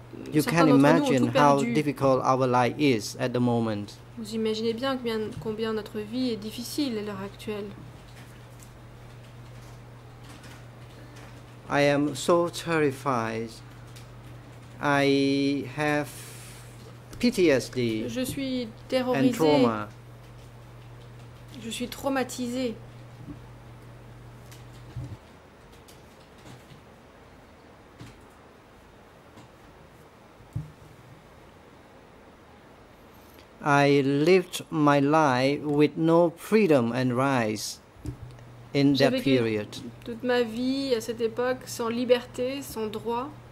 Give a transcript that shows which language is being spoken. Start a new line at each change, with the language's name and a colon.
English: You can imagine how difficult our life is at the moment.
French: Vous imaginez bien combien notre vie est difficile à l'heure actuelle.
English: I am so terrified. I have PTSD.
French: Je suis terrorisée.
English: And trauma.
French: Je suis traumatisée.
English: I lived my life with no freedom and rights. In that period.
French: Toute ma vie à cette époque sans liberté, sans droit.